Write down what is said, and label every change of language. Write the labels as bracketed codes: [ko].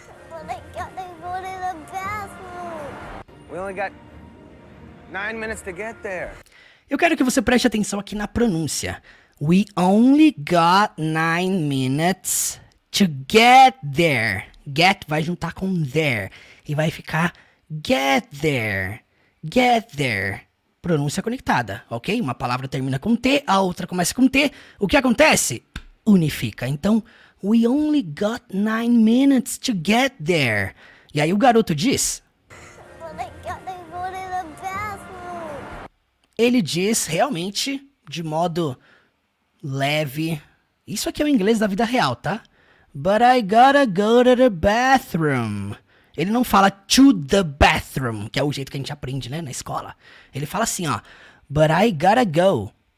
[en] Oh my God, they go to the bathroom. We only got 9 minutes to get there. [pt] Eu quero que você preste atenção aqui na pronúncia. [en] We only got 9 minutes to get there. [pt] Get vai juntar com there e vai ficar [en] get there. Get there. [pt] Pronúncia conectada, ok? Uma palavra termina com T, a outra começa com T. O que acontece? Unifica. Então, [en] we only got 9 minutes to get there. [pt] E aí o garoto diz... [en] Oh my God, they go to the bathroom. [pt] Ele diz realmente de modo leve. Isso aqui é o inglês da vida real, tá? [en] But I gotta go to the bathroom. [pt] Ele não fala [en] to the bathroom, [pt] que é o jeito que a gente aprende, né, na escola. Ele fala assim, ó, [en] but I gotta go.